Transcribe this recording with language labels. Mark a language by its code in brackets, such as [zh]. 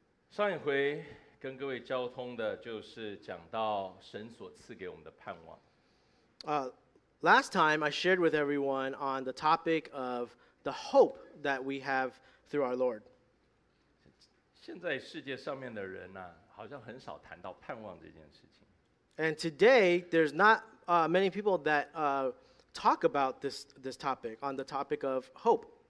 [zh] 上一回跟各位交通的就是讲到神所赐给我们的盼望。 [en] Last time I shared with everyone on the topic of the hope that we have through our Lord. [zh] 现在世界上面的人啊，好像很少谈到盼望这件事情。 [en] And today, there's not many people that talk about this topic, on the topic of hope.